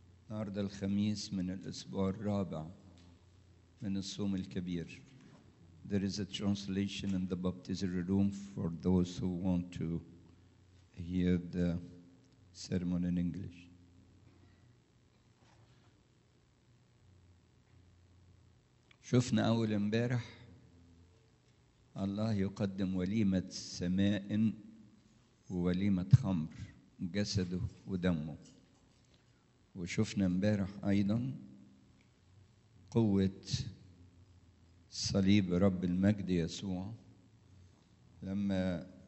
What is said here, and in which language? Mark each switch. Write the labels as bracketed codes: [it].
[ar] النهارده الخميس من الأسبوع الرابع من الصوم الكبير. [en] There is a translation in the baptism room for those who want to hear the sermon in English. [ar] شفنا أول امبارح الله يقدم وليمة سماء ووليمة خمر جسده ودمه، وشفنا امبارح أيضا قوة صليب رب المجد يسوع لما